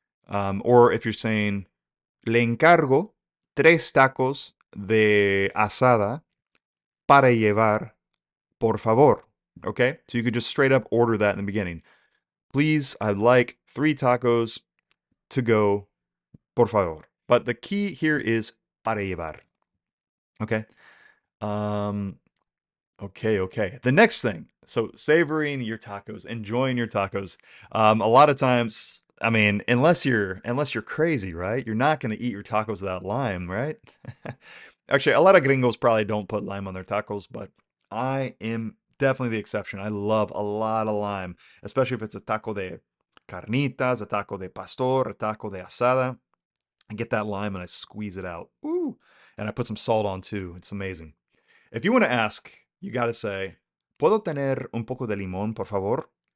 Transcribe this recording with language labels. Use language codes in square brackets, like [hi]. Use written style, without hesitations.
[en] Or if you're saying, [es] le encargo tres tacos de asada para llevar, por favor. [en] Okay. So you could just straight up order that in the beginning. Please, I'd like 3 tacos to go, [es] por favor. [en] But the key here is para llevar. Okay. Okay. Okay. The next thing. So savoring your tacos, enjoying your tacos. A lot of times, I mean, unless you're crazy, right? You're not going to eat your tacos without lime, right? Actually, a lot of gringos probably don't put lime on their tacos, but I am definitely the exception. I love a lot of lime, especially if it's a taco de carnitas, a taco de pastor, a taco de asada. I get that lime and I squeeze it out. Ooh, and I put some salt on too. It's amazing. If you want to ask, you got to say, [es] ¿Puedo tener un poco de limón, por favor?